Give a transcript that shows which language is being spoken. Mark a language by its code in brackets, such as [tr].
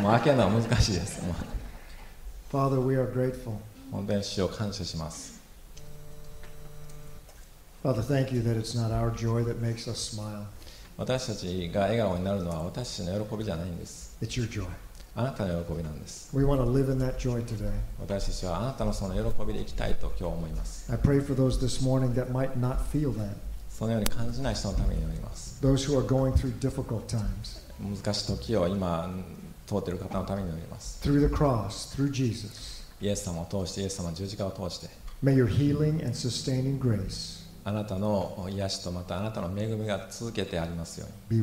[ja] もう開けるのは難しいです。 [en] Father, we are grateful. [ja] 本当に主を感謝します。 [en] Father, thank you that it's not our joy that makes us smile. [ja] 私たちが笑顔になるのは私たちの喜びじゃないんです。 [en] It's your joy. [ja] あなたの喜びなんです。 [en] We want to live in that joy today. [ja] 私たちはあなたのその喜びで生きたいと今日思います。 [en] I pray for those this morning that might not feel that. [ja] そのように感じない人のために祈ります。 [en] Those who are going through difficult times. [ja] 難しい時を今通っている方のために祈ります。 [en] Through the cross, through Jesus. [ja] イエス様を通して、イエス様の十字架を通して。 [en] May your healing and sustaining grace. [ja] あなたの癒しとまたあなたの恵みが続けてありますように。